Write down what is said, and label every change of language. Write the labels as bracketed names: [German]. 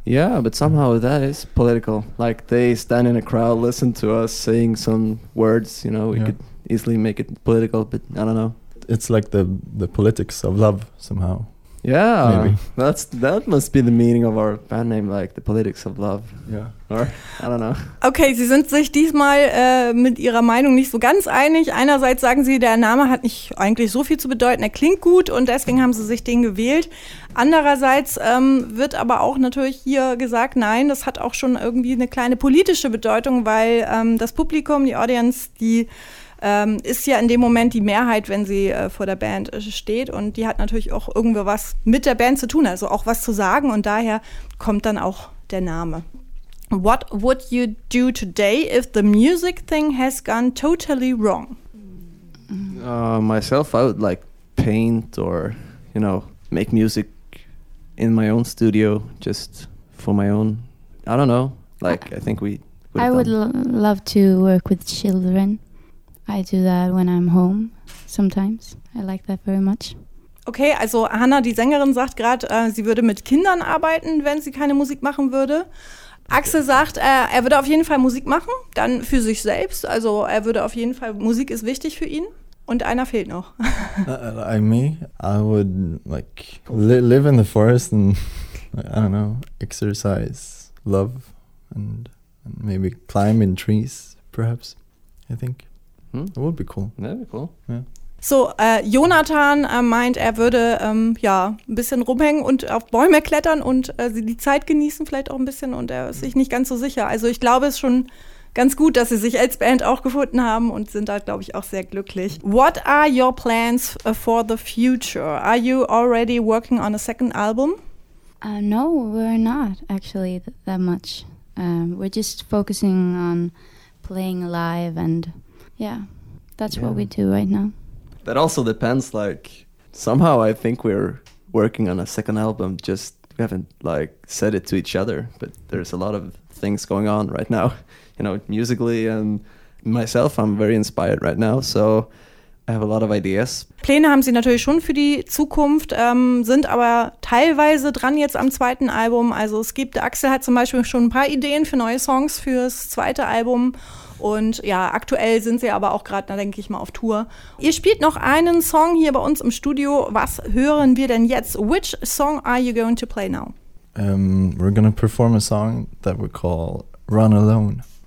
[English] Yeah, but somehow that is political, like they stand in a crowd, listen to us saying some words, you know, we could easily make it political, but I don't know, it's like the politics of love somehow. Yeah, maybe. That must be the meaning of our band name, like the politics of love. Yeah, or I don't know. [German] Okay, Sie sind sich diesmal mit Ihrer Meinung nicht so ganz einig. Einerseits sagen Sie, der Name hat nicht eigentlich so viel zu bedeuten, er klingt gut und deswegen haben Sie sich den gewählt. Andererseits wird aber auch natürlich hier gesagt, nein, das hat auch schon irgendwie eine kleine politische Bedeutung, weil das Publikum, die Audience, die ist ja in dem Moment die Mehrheit, wenn sie vor der Band steht. Und die hat natürlich auch irgendwie was mit der Band zu tun, also auch was zu sagen. Und daher kommt dann auch der Name. [English] What would you do today if the music thing has gone totally wrong? Myself, I would like paint or, you know, make music in my own studio, just for my own. I don't know. Like, I think we would. I would love to work with children. I do that when I'm home sometimes. I like that very much. [German] Okay, also Hannah, die Sängerin, sagt gerade, sie würde mit Kindern arbeiten, wenn sie keine Musik machen würde. Axel sagt, er würde auf jeden Fall Musik machen, dann für sich selbst. Also er würde auf jeden Fall, Musik ist wichtig für ihn. Und einer fehlt noch. [English] I would like live in the forest and, I don't know, exercise, love and maybe climb in trees, perhaps, I think. That would be cool. That'd be cool. Yeah. [German] So, Jonathan meint, er würde ein bisschen rumhängen und auf Bäume klettern und die Zeit genießen vielleicht auch ein bisschen und er ist sich nicht ganz so sicher. Also ich glaube, es ist schon ganz gut, dass sie sich als Band auch gefunden haben und sind da, glaube ich, auch sehr glücklich. [English] What are your plans for the future? Are you already working on a second album? No, we're not actually that much. We're just focusing on playing live, and yeah, that's what we do right now. That also depends. Like, somehow I think we're working on a second album. Just we haven't like said it to each other, but there's a lot of things going on right now, you know, musically and myself. I'm very inspired right now, so I have a lot of ideas. [German] Pläne haben sie natürlich schon für die Zukunft, sind aber teilweise dran jetzt am zweiten Album. Also es gibt, Axel hat zum Beispiel schon ein paar Ideen für neue Songs fürs zweite Album. Und ja, aktuell sind sie aber auch gerade, da denke ich mal, auf Tour. Ihr spielt noch einen Song hier bei uns im Studio. Was hören wir denn jetzt? [English] Which song are you going to play now? We're going to perform a song that we call Run Alone.